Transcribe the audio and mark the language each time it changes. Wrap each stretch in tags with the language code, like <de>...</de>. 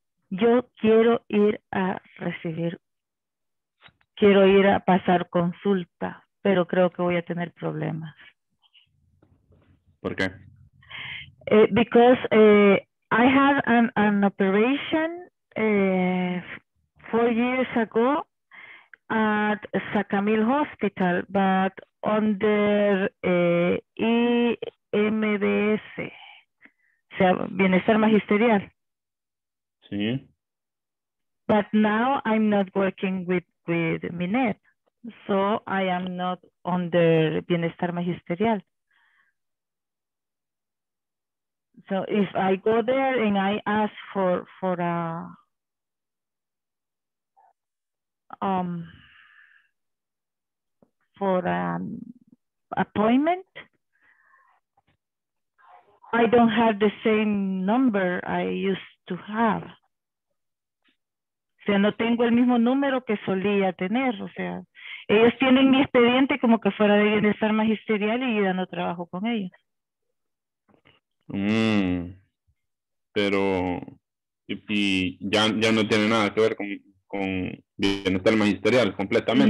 <es>Yo quiero ir a recibir, quiero ir a pasar consulta, pero creo que voy a tener problemas. ¿Por qué?</es> <en>Because I had an operation 4 years ago at Sacamil Hospital, but under EMBS, o sea, Bienestar Magisterial.</en> <es>Sí.</es> <en>But now I'm not working with Minet, so I am not under Bienestar Magisterial. So if I go there and I ask for a for an appointment, I don't have the same number I used to have.</en> <es>O sea, no tengo el mismo número que solía tener. O sea, ellos tienen mi expediente como que fuera de Bienestar Magisterial y ya no trabajo con ellos. Pero y ya no tiene nada que ver con Bienestar Magisterial completamente.</es>